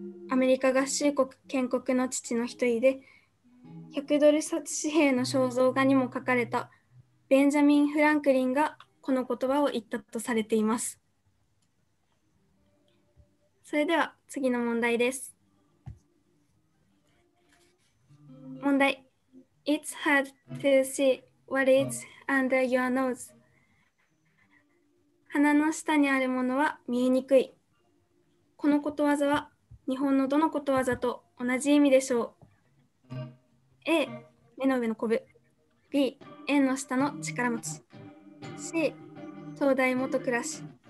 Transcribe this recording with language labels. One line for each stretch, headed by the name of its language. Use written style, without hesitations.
Japanese: アメリカ合衆国建国の父の一人で、100ドル札紙幣の肖像画にも書かれたベンジャミン・フランクリンがこの言葉を言ったとされています。それでは次の問題です。問題、
English: It's hard to see what is under your nose。
Japanese: 鼻の下にあるものは見えにくい。このことわざは日本のどのことわざと同じ意味でしょう。 A 目の上のコブ、 B 円の下の力持ち、 C 東大元暮らし。